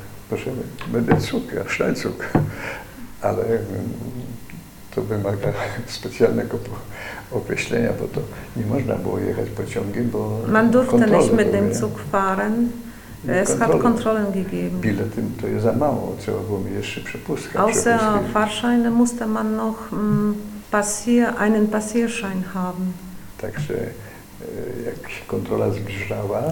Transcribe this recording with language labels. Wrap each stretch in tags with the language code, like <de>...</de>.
<pl>Proszę,</pl> <de>mit dem Zug, ja, Schnellzug.</de> <pl>Ale to wymaga specjalnego określenia, bo to nie można było jechać pociągiem, bo</pl> <de>man durfte nicht mit dem Zug fahren. Es hat Kontrollen gegeben.</de> <pl>Bilety to jest za mało, trzeba było mi jeszcze przepustkę.</pl> <de>Außer Fahrschein musste man noch einen Passierschein haben.</de> <pl>Także jak się kontrola zbliżała,</pl>